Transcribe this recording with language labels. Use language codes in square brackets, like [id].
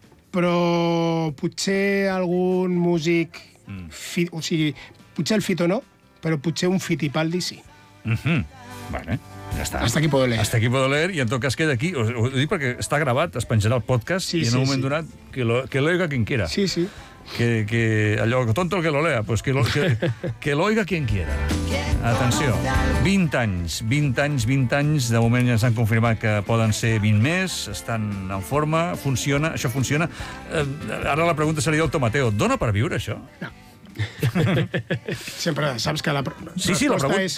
[ca] Però potser algun músic... potser el Fito no, però potser un Fittipaldi sí. Mhm. Vale. Ja està. [es] Hasta aquí puedo leer, [ca] i en tot cas queda aquí. Ho dic perquè està gravat, es penjarà el podcast, sí, i en sí, un moment sí. [es] Donat, que l'oiga quien quiera. [ca] Sí, sí. Que allò, [es] tonto el que lo lea, pues que l'oiga quien quiera. [ca] Atenció, 20 anys, de moment ja s'han confirmat que poden ser 20 més, estan en forma, funciona, això funciona. Ara la pregunta seria el Tomateo, dona per viure això? No. Sempre saps que la pregunta sí, la pregunta és...